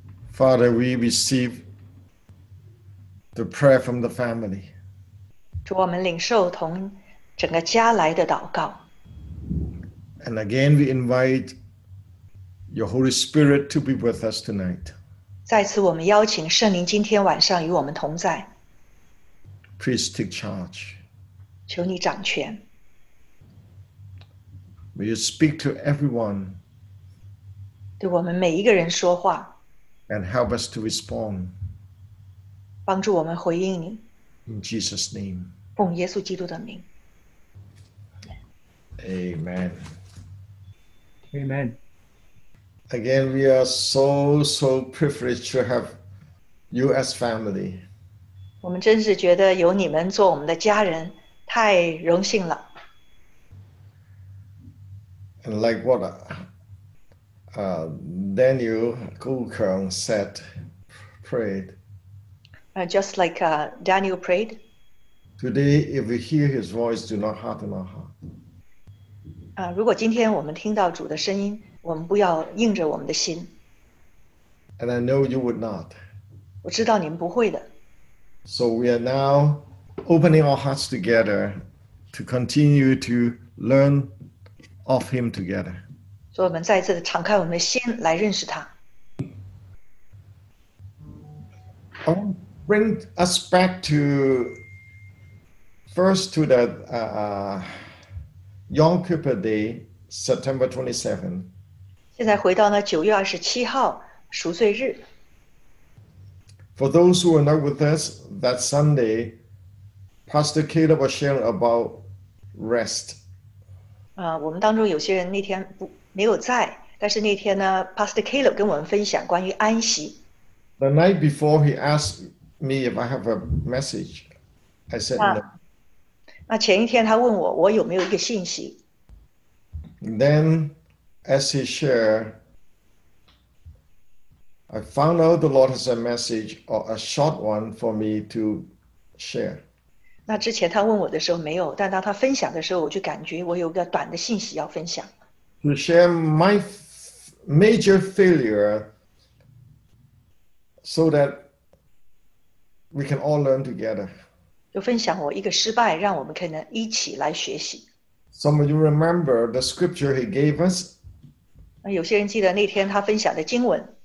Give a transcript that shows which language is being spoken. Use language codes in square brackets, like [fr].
[en] Father, we receive the prayer from the family. [zh] 主，我们领受同整个家来的祷告。 [en] And again, we invite your Holy Spirit to be with us tonight. [zh] 再次我们邀请圣灵今天晚上与我们同在。 [en] Please take charge. [zh] 求你掌权。 [en] May you speak to everyone. [zh] 对我们每一个人说话。 [en] And help us to respond. [zh] 帮助我们回应你。 [en] In Jesus' name. [zh] 奉耶稣基督的名。 [en] Amen. Amen. Again, we are so, so privileged to have you as family. [zh] 我们真是觉得有你们做我们的家人太荣幸了。 [en] And like what Daniel Gukong said, prayed. Just like Daniel prayed. Today, if we hear his voice, do not harden our heart. [zh] 如果今天我们听到主的声音，我们不要硬着我们的心。 [en] And I know you would not. [zh] 我知道你们不会的。 [en] So we are now opening our hearts together to continue to learn of him together. [zh] 所以我们再次敞开我们的心来认识他。 [en] I want to bring us back to first to the Yom Kippur Day, September 27. [zh] 现在回到那9月27号赎罪日。 [en] For those who are not with us that Sunday, Pastor Caleb was sharing about rest. [zh] 我们当中有些人那天不没有在，但是那天呢 ，Pastor Caleb 跟我们分享关于安息。 [en] The night before, he asked me if I have a message. I said no. [zh] 那前一天他问我，我有没有一个信息。 [en] Then, as he shared. I found out the Lord has a message or a short one for me to share. [zh] 那之前他问我的时候没有，但当他分享的时候，我就感觉我有个短的信息要分享。 [en] To share my major failure so that we can all learn together. [zh] 就分享我一个失败，让我们可能一起来学习。 [en] Some of you remember the scripture he gave us? [zh] 那有些人记得那天他分享的经文。